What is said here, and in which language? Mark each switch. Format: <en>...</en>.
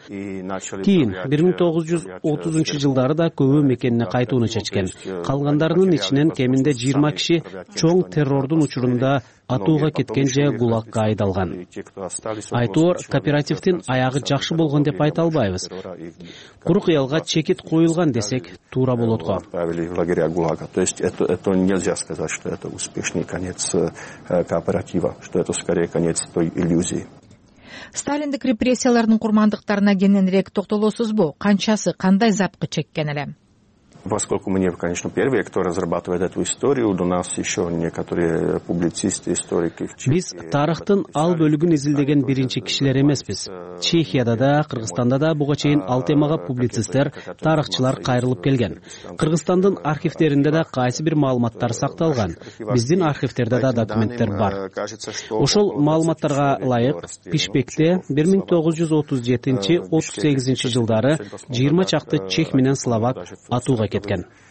<ky>Кийин 1930 жылдары да көбү мекенине кайтууну чечкен. Калгандарынын ичинен кеминде 20 киши чоң террордун учурунда атууга кеткен же гулакка айдалган. Айтор кооперативтин аягы жакшы болгон деп айта албайбыз. Куру кыялга чекит коюлган десек туура болот го.</ky> <ru>То есть это нельзя сказать, что это успешный конец кооператива, что это скорее конец той иллюзии.</ru> <ky>Сталиндик репрессиялардын курмандыктарына кененирээк токтолосуз бу? Канчасы, кандай запкы чеккен эле?</ky> <ru>Поскольку мы не, конечно, первые, кто разрабатывает эту историю, у нас еще некоторые публицисты, историки.</ru> <ky>Биз тарыхтын ал бөлүгүн изилдеген биринчи кишилер эмеспиз. Чехияда да, Кыргызстанда да буга чейин ал темага публицисттер, тарыхчылар кайрылып келген. Кыргызстандын архивтеринде да кайсы бир маалыматтар сакталган. Биздин архивтерде да документтер бар. Ошол маалыматтарга ылайык, Пишпекте 1937-38 жылдары 20 чакты чех менен словак ату кеткен.</ky>